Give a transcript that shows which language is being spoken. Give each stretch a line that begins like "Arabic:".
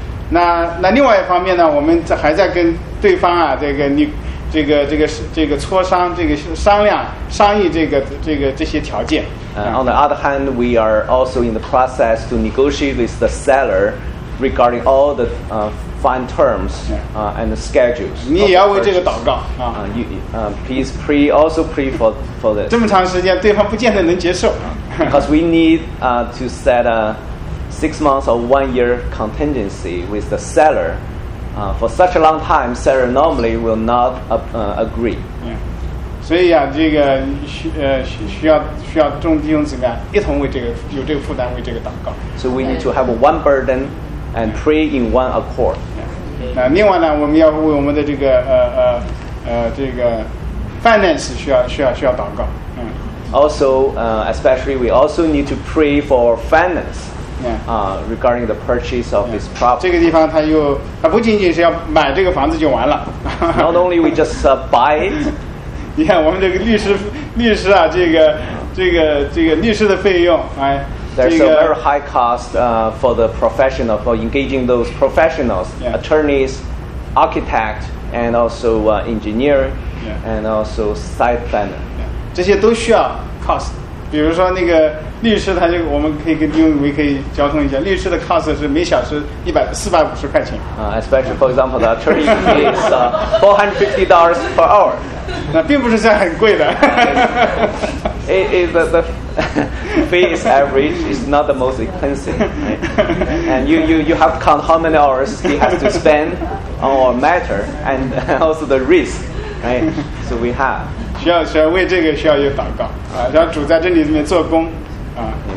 Chinese: 那另外一方面呢，我们还在跟对方啊，这个你这个磋商，这个商量商议这个这些条件。
English: On the other hand, we are also in the process to negotiate with the seller. Regarding all the fine terms and the schedules.
Chinese: 你也要为这个祷告啊！
English: Please pray, also pray for this.
Chinese: 这么长时间，对方不见得能接受。
English: Because we need to set a 6 months or 1 year contingency with the seller. For such a long time, seller normally will not agree.
Chinese: 所以啊，这个需要众弟兄姊妹一同为这个有这个负担为这个祷告。
English: So we need to have one burden. And pray in one accord.
Chinese: 那另外呢，我们要为我们的这个这个 finance 需要祷告。
English: Also, especially we also need to pray for finance. Regarding the purchase of this property.
Chinese: 这个地方它不仅仅是要买这个房子就完了。
English: Not only we just buy it.
Chinese: 你看我们这个律师啊，这个律师的费用，哎。
English: There's a very high cost for the professional, for engaging those professionals, attorneys, architects, and also engineers, and also site planner.
Chinese: 这些都需要 cost. 比如说那个律师他就我们可以跟弟兄姊妹可以交通一下律师的 cost 是每小时450块钱。
English: Especially for example, the attorney is $450 per hour.
Chinese: 那并不是算很贵的。
English: It is the fee is average, it's not the most expensive.、Right? And you have to count how many hours he has to spend on our matter and also the risk, right? So we have.
Chinese: 需要为这个需要有祷告啊，让主在这里面做工啊。